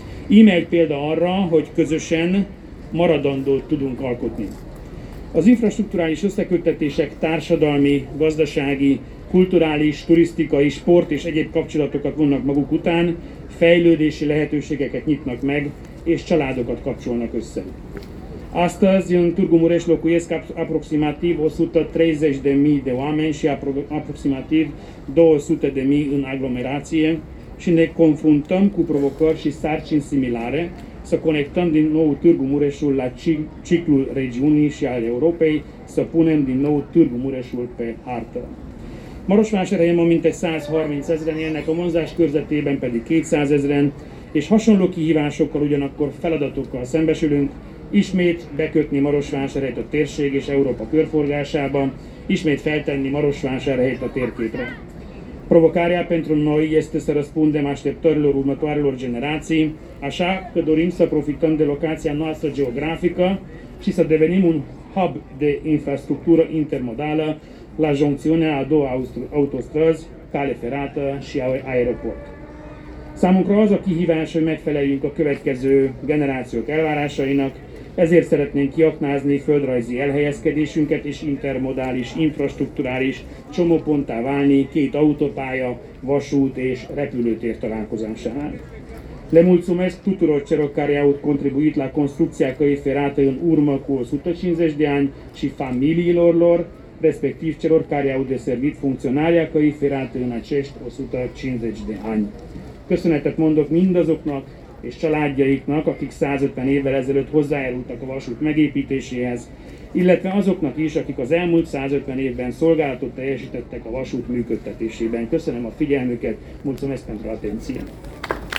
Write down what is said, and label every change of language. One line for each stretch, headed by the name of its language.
Hungarian: Íme egy példa arra, hogy közösen maradandót tudunk alkotni. Az infrastrukturális összeköttetések társadalmi, gazdasági, kulturális, turisztikai, sport és egyéb kapcsolatokat vonnak maguk után, fejlődési lehetőségeket nyitnak meg, és családokat kapcsolnak össze.
Romanian: Astăzi, în Târgu Mureș locuiesc aproximativ 130.000 de oameni și aproximativ 200.000 în aglomerație și ne confruntăm cu provocări și sarcini similare să conectăm din nou Târgu Mureșul la ciclul regiunii și al Europei, să punem din nou Târgu Mureșul pe hartă.
Hungarian: Marosvásárhelyen ma mintegy 130 ezeren élnek, a Monzás körzetében pedig 200 ezeren, és hasonló kihívásokkal, ugyanakkor feladatokkal szembesülünk, ismét bekötni Marosvásárhelyt a térség és Európa körforgásába, ismét feltenni Marosvásárhelyt a térképre.
Romanian: Provocarea pentru noi este să răspundem așteptărilor următoarelor generații, așa că dorim să profităm de locația noastră geografică și să devenim un hub de infrastructură intermodală la juncțiunea a două autostrăzi, cale ferată și aeroport.
Hungarian: Számunkra az a kihívás, hogy megfeleljünk a következő generációk elvárásainak, ezért szeretnénk kiaknázni földrajzi elhelyezkedésünket és intermodális, infrastruktúrális csomóponttá válni két autópálya, vasút és repülőtér találkozásán.
Romanian: Le mulțumesc tuturor celor care au contribuit la construcția căi ferate în urmă cu 150 de ani și familiilor lor, respectiv celor care au deservit funcționarea căi ferate în acești 150 de ani.
Hungarian: Köszönetet mondok mindazoknak és családjaiknak, akik 150 évvel ezelőtt hozzájárultak a vasút megépítéséhez, illetve azoknak is, akik az elmúlt 150 évben szolgálatot teljesítettek a vasút működtetésében. Köszönöm a figyelmüket,
Romanian: mulțumesc pentru atenție!